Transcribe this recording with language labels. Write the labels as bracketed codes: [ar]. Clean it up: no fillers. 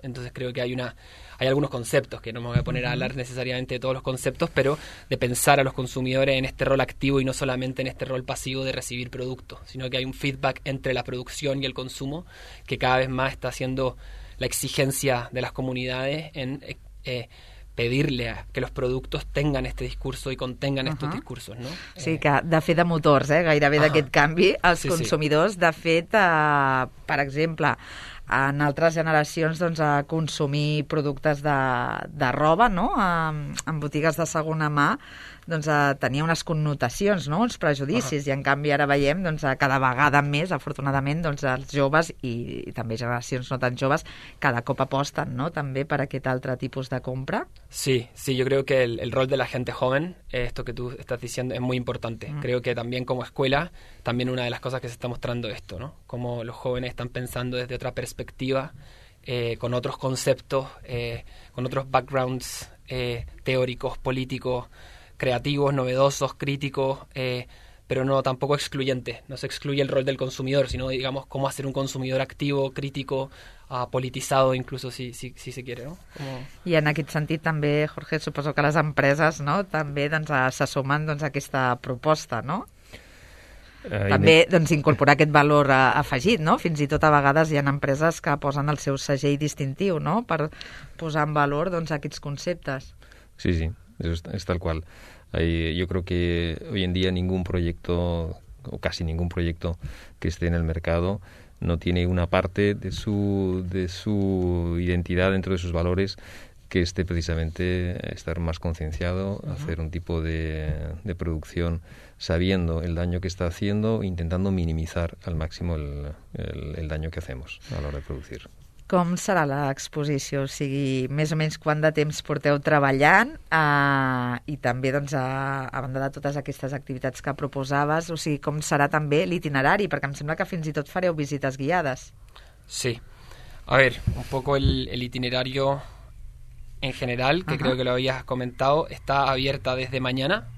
[es] Entonces creo que hay algunos conceptos, que no me voy a poner a hablar necesariamente de todos los conceptos, pero de pensar a los consumidores en este rol activo y no solamente en este rol pasivo de recibir productos, sino que hay un feedback entre la producción y el consumo que cada vez más está haciendo la exigencia de las comunidades en pedirle a que los productos tengan este discurso y contengan estos discursos, ¿no? [ca] Sí, que de fet de motors, gairebé d'aquest canvi, els consumidors, de fet, per exemple, en altres generacions, doncs, a consumir productes de roba, no?, en botigues de segona mà, doncs, tenia unes connotacions, no?, uns prejudicis, i en canvi ara veiem, doncs, cada vegada més, afortunadament, doncs, els joves i també generacions no tan joves, cada cop aposten, no?, també per aquest altre tipus de compra. [es] Sí, sí, yo creo que el rol de la gente joven, esto que tú estás diciendo, es muy importante. Creo que también como escuela, también una de las cosas que se está mostrando esto, ¿no?, como los jóvenes están pensando desde otra perspectiva, con otros conceptos, con otros backgrounds teóricos, políticos, creativos, novedosos, críticos, pero no tampoco excluyentes. No se excluye el rol del consumidor, sino digamos cómo hacer un consumidor activo, crítico, politizado, incluso si se quiere, ¿no? Como... [ca] Y en aquest sentit també, Jorge, suposo que les empreses, no?, també doncs s'assumen doncs aquesta proposta, no? També doncs, incorporar aquest valor afegit, no? Fins i tot a vegades hi ha empreses que posen el seu segell distintiu, no?, per posar en valor doncs, aquests conceptes. Sí, sí, és tal qual. Jo crec que avui en dia ningú projecte, [es] o quasi ningú projecte que esté en el mercat no tiene una parte de su identitat dentro de sus valores que esté precisamente estar más concienciado, hacer un tipo de producción sabiendo el daño que está haciendo, intentando minimizar al máximo el daño que hacemos a la hora de producir. [ca] Com serà l'exposició? O sigui, més o menys quant de temps porteu treballant i també, doncs, a banda de totes aquestes activitats que proposaves, o sigui, com serà també l'itinerari? Perquè em sembla que fins i tot fareu visites guiades. Sí. [es] A ver, un poco el itinerario en general, que creo que lo habías comentado, está abierta desde mañana,